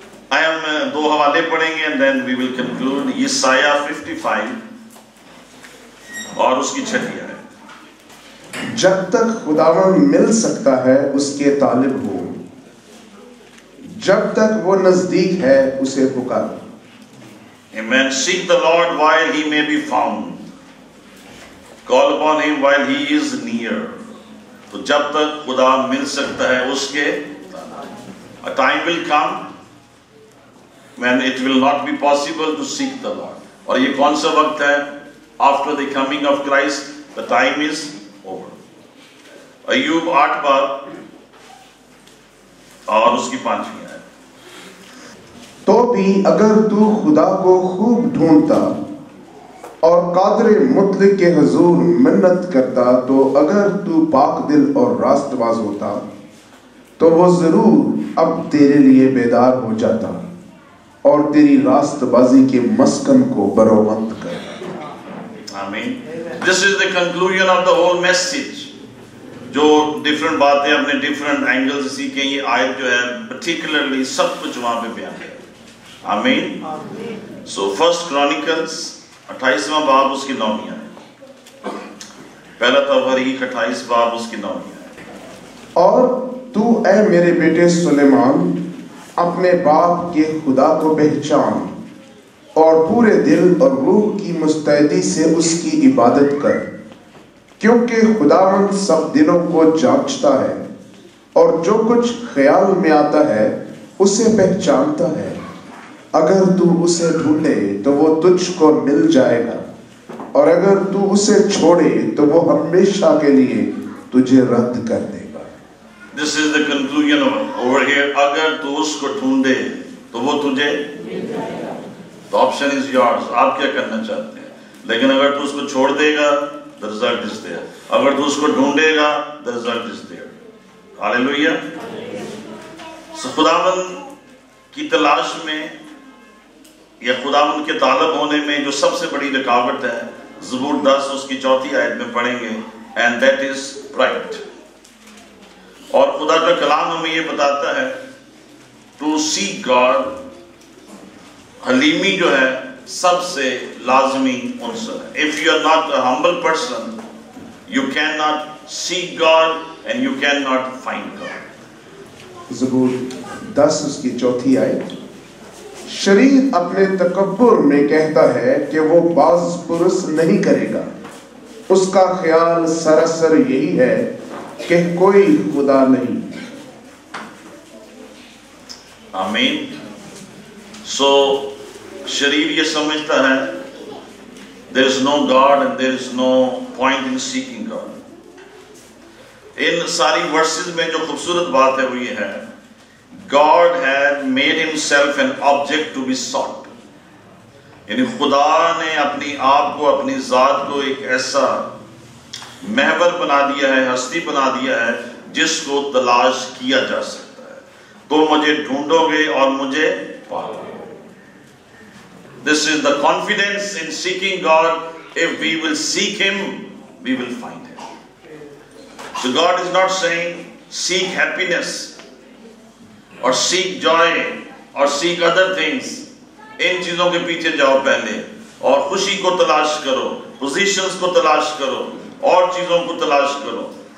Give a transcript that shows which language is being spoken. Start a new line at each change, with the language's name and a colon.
Urdu: I am دو حوالے پڑھیں گے and then we will conclude. یسایا 55 اور اس کی چھٹی آیت. جب تک خداوند مل سکتا ہے اس کے طالب ہو, جب تک وہ نزدیک ہے اسے پکارو.
English: Amen. Seek the Lord while he may be found. Call upon him while he is near.
Urdu: تو جب تک خدا مل سکتا ہے اس کے,
English: a time will come when it will not be possible to seek the Lord.
Urdu: اور یہ کون سا وقت ہے؟
English: After the coming of Christ, the time is over.
Urdu: Ayub 8 بار اور اس کی پانچویں آیت. تو بھی اگر تو خدا کو خوب ڈھونڈتا اور قادر مطلق کے حضور منت کرتا, تو اگر تو پاک دل اور راست باز ہوتا تو وہ ضرور اب تیرے لیے بیدار ہو جاتا اور تیری راست بازی کے مسکن کو بروبند کرتا. آمین.
English: This is the conclusion of the whole message.
Urdu: جو ڈفرنٹ باتیں ہم نے ڈفرنٹ اینگلز سیکھے, یہ آیت جو ہے پرٹیکولرلی سب کچھ وہاں پہ بیان ہے. آمین. سو فرسٹ کرونیکلز 28 باب اس کی نومیا ہے. پہلا تبریک 28 باب اس کی نومیا ہے. اور تو اے میرے بیٹے سلیمان اپنے باپ کے خدا کو پہچان اور پورے دل اور روح کی مستعدی سے اس کی عبادت کر, کیونکہ خداوند سب دلوں کو جانچتا ہے اور جو کچھ خیال میں آتا ہے اسے پہچانتا ہے. اگر تو اسے ڈھونڈے تو وہ تجھ کو مل جائے گا, اور اگر تو اسے چھوڑے تو وہ ہمیشہ کے لیے تجھے رد کر دے گا.
English: This is the conclusion over here.
Urdu: اگر تو اس کو ڈھونڈے تو وہ تجھے مل جائے گا.
English: The option is yours.
Urdu: آپ کیا کرنا چاہتے ہیں؟ لیکن اگر تو اس کو چھوڑ دے گا,
English: the result is there.
Urdu: اگر تو اس کو ڈھونڈے گا,
English: the result is there. Hallelujah.
Urdu: So, خداوند کی تلاش میں یا خداوند کے طالب ہونے میں جو سب سے بڑی رکاوٹ ہے, زبور 10 اس کی چوتھی آیت میں پڑھیں گے,
English: and that is pride.
Urdu: اور خدا کا کلام ہمیں یہ بتاتا ہے,
English: to seek God,
Urdu: حلیمی جو ہے سب سے لازمی عنصر ہے.
English: If you are not a humble person, you cannot seek God and you cannot find God.
Urdu: زبور 10 اس کی چوتھی آیت. شریر اپنے تکبر میں کہتا ہے کہ وہ باز پرس نہیں کرے گا, اس کا خیال سراسر یہی ہے کہ کوئی خدا نہیں.
English: آمین.
Urdu: سو شریر یہ سمجھتا ہے
English: There is no God and there is no point in seeking God.
Urdu: ان ساری ورسز میں جو خوبصورت بات ہے وہ یہ ہے,
English: God had made himself an object to be sought.
Urdu: یعنی خدا نے اپنی آپ کو, اپنی ذات کو ایک ایسا محور بنا دیا ہے, ہستی بنا دیا ہے جس کو تلاش کیا جا سکتا ہے. تو مجھے ڈھونڈو گے اور مجھے پاؤ گے.
English: This is the confidence in seeking God. If we will seek him, we will find him. So God is not saying seek happiness اور seek joy اور seek other things.
Urdu: ان چیزوں کے پیچھے جاؤ پہلے اور خوشی کو تلاش کرو, پوزیشنز کو تلاش کرو اور چیزوں کو تلاش کرو.